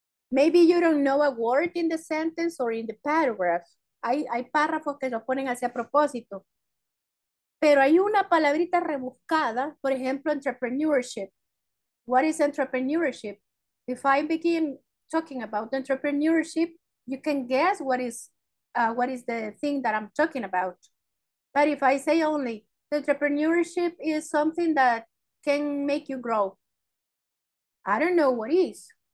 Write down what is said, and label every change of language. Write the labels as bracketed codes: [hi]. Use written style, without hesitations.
[en] Maybe you don't know a word in the sentence or in the paragraph. [es] Hay párrafos que los ponen así a propósito. Pero hay una palabrita rebuscada, por ejemplo, entrepreneurship. [en] What is entrepreneurship? If I begin talking about entrepreneurship, you can guess what is the thing that I'm talking about. But if I say only, entrepreneurship is something that can make you grow, I don't know what is.